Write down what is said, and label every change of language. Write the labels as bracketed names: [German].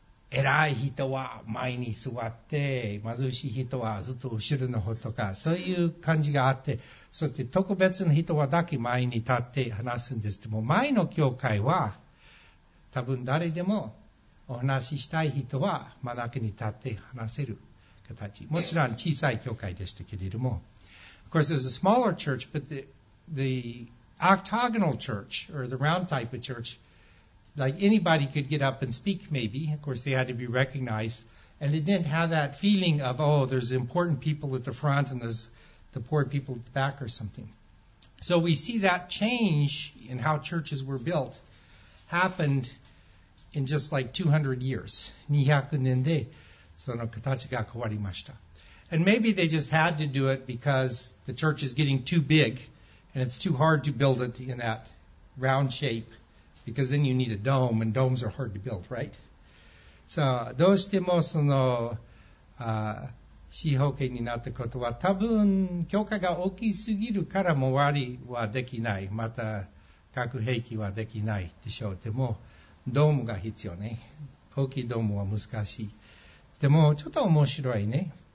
[Japanese] 偉い人は前に座って、貧しい人はずっと後ろの方とか、そういう感じがあって、そして特別な人はだけ前に立って話すんです。でも、前の教会は、多分誰でも、お話ししたい人は真ん中に立って話せる形。もちろん小さい教会でしたけれども。 [English] Of course, there's a smaller church, but the octagonal church, or the round type of church, like anybody could get up and speak maybe. Of course, they had to be recognized. And it didn't have that feeling of, oh, there's important people at the front and there's the poor people at the back or something. So we see that change in how churches were built happened in just like 200 years. [Japanese] 200年でその形が変わりました。 [English] And maybe they just had to do it because the church is getting too big and it's too hard to build it in that round shape because then you need a dome and domes are hard to build, right? [Japanese] So, どうしてもその四方形になったことは多分教会が大きすぎるから周りはできない。また核兵器はできないでしょう。でもドームが必要ね。大きいドームは難しい。でも、ちょっと面白いね。